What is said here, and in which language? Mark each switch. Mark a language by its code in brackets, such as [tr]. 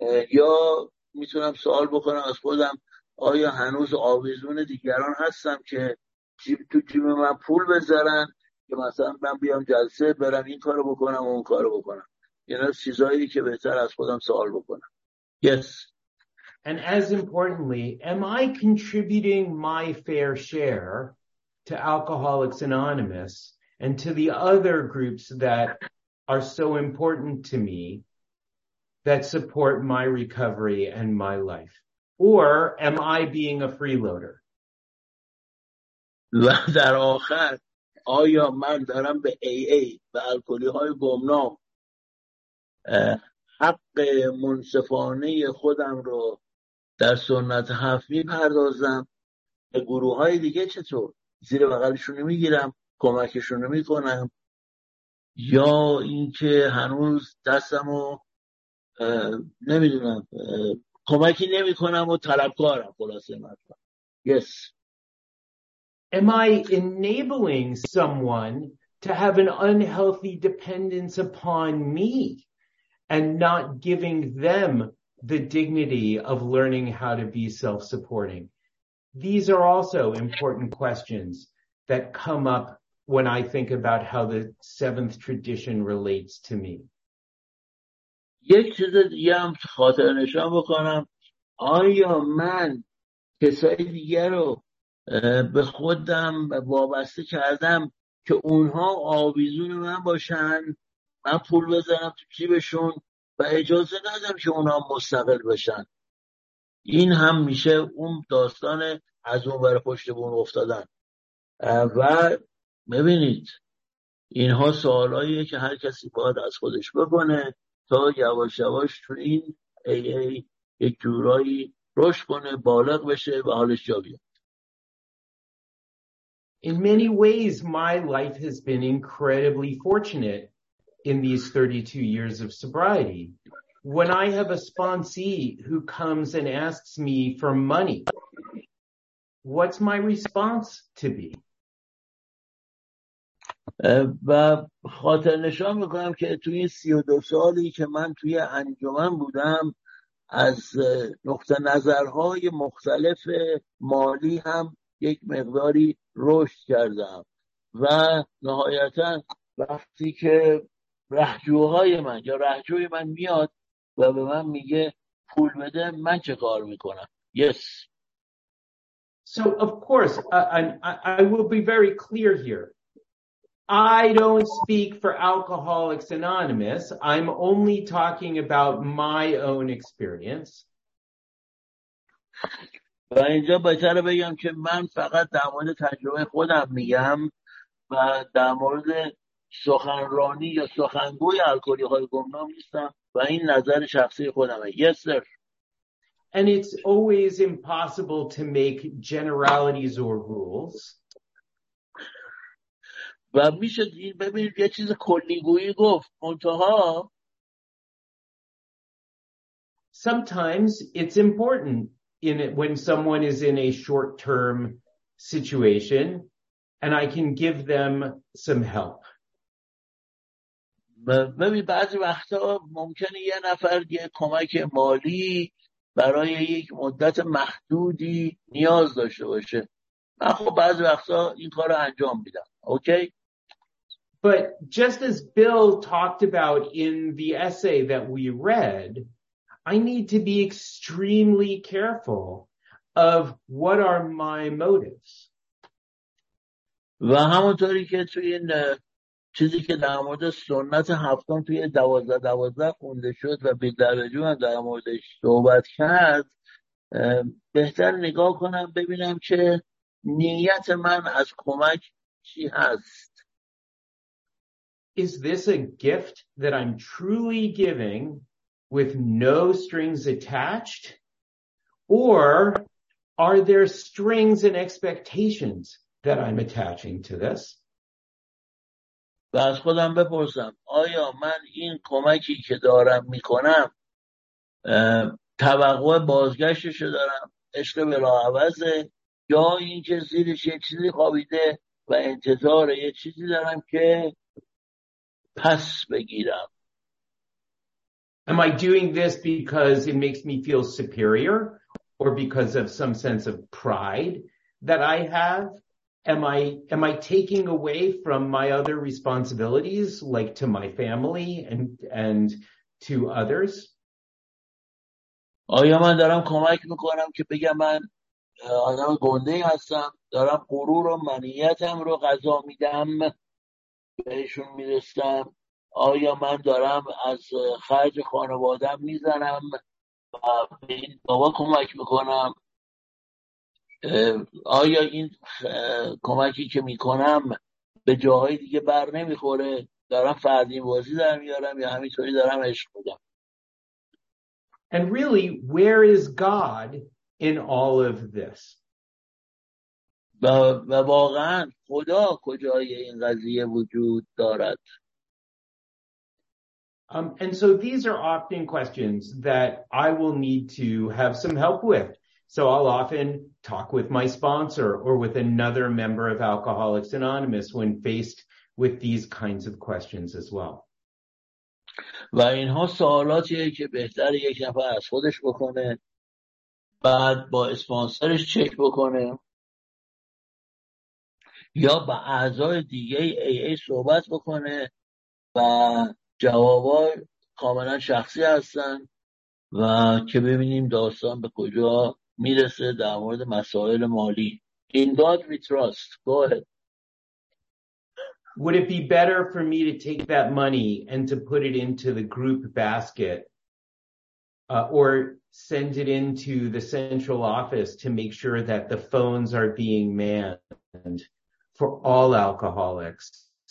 [fa] یا میتونم سوال بکنم از خودم، آیا هنوز آویزون دیگران هستم که جیب من پول بذارن که مثلا من بیام جلسه، برم این کارو بکنم و اون کارو بکنم؟ این از چیزهایی که بهتر از خودم سوال بکنم. [en] Yes. And as importantly, am I contributing my fair share to Alcoholics Anonymous and to the other groups that are so important to me that support my recovery and my life? Or am I being a freeloader? [fa] در آخر آیا من دارم به AA و الکلی های گمنام حق منصفانه خودم رو در سنت هفت میپردازم؟ به گروه های دیگه چطور؟ زیر بغلشون میگیرم، کمکشون میکنم، یا اینکه هنوز دستمو نمیدونم کمکی نمیکنم و طلبکارم؟ خلاصه مطلب. [en] Yes. Am I enabling someone to have an unhealthy dependence upon me and not giving them the dignity of learning how to be self-supporting? These are also important questions that come up when I think about how the seventh tradition relates to me. [fa] یک چیز دیگه هم خاطر نشان بکنم. آیا من کسای دیگه رو به خودم وابسته کردم که اونها آویزون من باشن، من پول بزنم تو جیبشون و اجازه ندم که اونها مستقل بشن؟ این هم میشه اون داستان از اون بر پشت بون افتادن. و ببینید، اینها سوالاییه که هر کسی باید از خودش بکنه تا یواش یواش تو این AA یک جورایی رشد کنه، بالغ بشه و حالش جا بیاد. [en] In many ways, my life has been incredibly fortunate in these 32 years of sobriety. When I have a sponsee who comes and asks me for money, what's my response to be? [fa] و خاطر نشان میکنم که توی 32 سالی که من توی انجمن بودم، از نقطه نظرهای مختلف مالی هم یک مقداری رشد کردم و نهایتا وقتی که رهجوی من میاد و به من میگه پول بده، من چه کار میکنم؟ [en] Yes. So of course I will be very clear here. I don't speak for Alcoholics Anonymous. I'm only talking about my own experience. [fa] و اینجا بهتره بگم که من فقط در مورد تجربه خودم میگم و در مورد سخنرانی یا سخنگوی الکلی های گمنام نیستم و این نظر شخصی خودمه. [en] Yes, sir. And it's always impossible to make generalities or rules. [fa] و میشه ببینید یه چیز کلیگویی گفت، منتها [en] sometimes it's important in it when someone is in a short-term situation and I can give them some help. Maybe [fa] بعضی وقتا ممکنه یه نفر یه کمک مالی برای یک مدت محدودی نیاز داشته باشه. من خب بعضی وقتا این کارو انجام میدم. [en] Okay? But just as Bill talked about in the essay that we read, I need to be extremely careful of what are my motives. [fa] و همونطوری که توی این چیزی که در مورد سنت هفتم توی 12-12 خونده شد و بیدرجون در موردش صحبت کرد، بهتر نگاه کنم ببینم که نیت من از کمک چی هست. [en] Is this a gift that I'm truly giving with no strings attached, or are there strings and expectations that I'm attaching to this? [fa] و از خودم بپرسم آیا من این کمکی که دارم میکنم توقع بازگشتش دارم، عشق بلاعوضه، یا این که زیرش یه چیزی خوابیده و انتظار یه چیزی دارم که پس بگیرم؟ [en] Am I doing this because it makes me feel superior or because of some sense of pride that I have? Am I taking away from my other responsibilities, like to my family and to others? [fa] آیا من دارم کمک میکنم که بگم من آدم گنده هستم، دارم غرور و منیتم رو قضا میدم بهشون میرسم، آیا من دارم از خرج خانوادم میزنم و به این بابا کمک میکنم؟ آیا این کمکی که میکنم به جاهای دیگه بر نمیخوره؟ دارم فردی بازی در میارم یا همینطوری دارم عشق میدم؟ [en] And really, where is God in all of this? [fa] و واقعا خدا کجای این قضیه وجود دارد؟ [en] And so these are often questions that I will need to have some help with. So I'll often talk with my sponsor or with another member of Alcoholics Anonymous when faced with these kinds of questions as well. [fa] و اینها سوالاتیه که بهتر یک نفر از خودش بکنه، بعد با اسپانسرش چک بکنه یا با اعضای دیگه AA صحبت بکنه و جوابا کاملا شخصی هستن و که ببینیم داستان به کجا میرسه در مورد مسائل مالی. [en] In God we trust. Go ahead. Would it be better for me to take that money and to put it into the group basket or send it into the central office to make sure that the phones are being manned for all alcoholics?